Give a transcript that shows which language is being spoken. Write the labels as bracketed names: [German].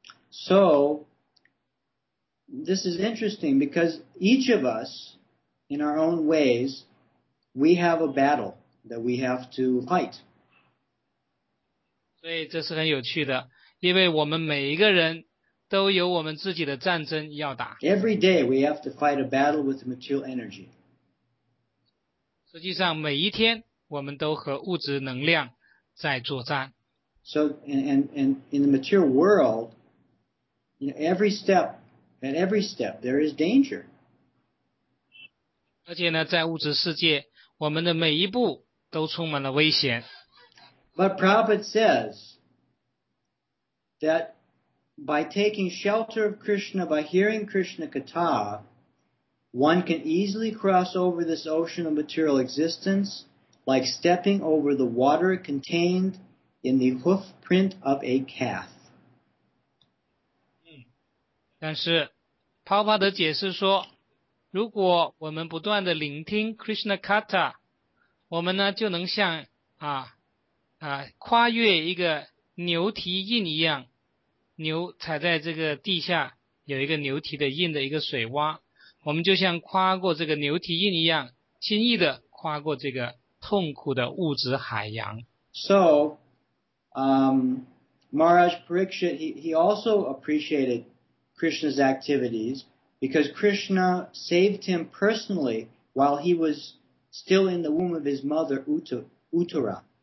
[English] So this is interesting because each of us in our own ways we have a battle that we have to fight. [Chinese] 所以这是很有趣的，因为我们每一个人都有我们自己的战争要打。 [English] Every day we have to fight a battle with material energy. [Chinese] 实际上每一天我们都和物质能量在作战。 [English] So, and in the material world, you know, at every step, there is danger. [Chinese] 而且呢，在物质世界，我们的每一步都充满了危险。 [English] But Prabhupada says, that by taking shelter of Krishna, by hearing Krishna Katha, one can easily cross over this ocean of material existence like stepping over the water contained in the hoof print of a calf. [Chinese] 但是Prabhupada 解释说，如果我们不断地聆听 Krishna Katha, 我们呢就能像跨越一个牛蹄印一样，牛踩在这个地下有一个牛蹄的印的一个水洼，我们就像跨过这个牛蹄印一样，轻易的跨过这个痛苦的物质海洋。 [English] So, Maharaj Parikshit, he also appreciated Krishna's activities because Krishna saved him personally while he was still in the womb of his mother Uttara.